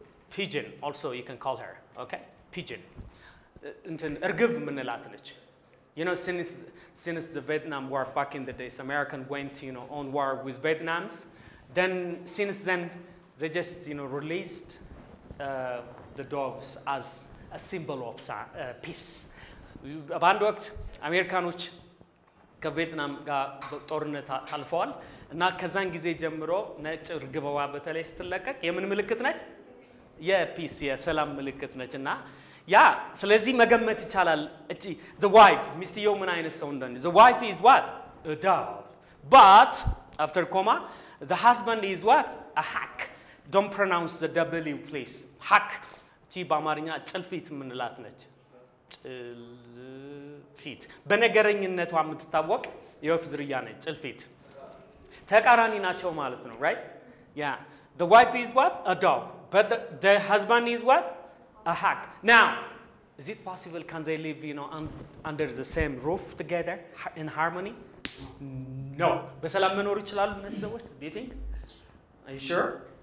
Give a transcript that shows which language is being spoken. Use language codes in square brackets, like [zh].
[en] Pigeon also you can call her, okay? Pigeon. [am] እንትን እርግብ ምን እላት ነች? [en] You know, since the Vietnam War back in the days, American went, you know, on war with Vietnams. Then, since then, they just, you know, released the doves as a symbol of peace. [am] በአንድ ወቅት አሜሪካኖች ከቪየትናም ጋር ጦርነት አልፈዋል እና ከዛን ጊዜ ጀምሮ ነጭ ርግበዋ በተለይ ስትለቀቅ የምን ምልክት ነች? የፒስ የሰላም ምልክት ነች እና ያ ስለዚህ መገመት ይቻላል እቺ [en] the wife Mr. Yeoman [am] አይነት ሰው እንደሆነ [en] the wife is what? A dove. But, after comma, the husband is what? A hack. Don't pronounce the W please. Hack. [am] እቺ በአማርኛ ጭልፊት ምንላት ነች? ጭልፊት በነገረኝነቷ የምትታወቅ የወፍ ዝርያ ነች ጭልፊት ተቃራኒ ናቸው ማለት ነው [en] right yeah the wife is what a dove but the husband is what a hack now is it possible can they live you know under the same roof together in harmony no [am] በሰላም መኖር ይችላሉ ነሰዎች [en] do you think are you sure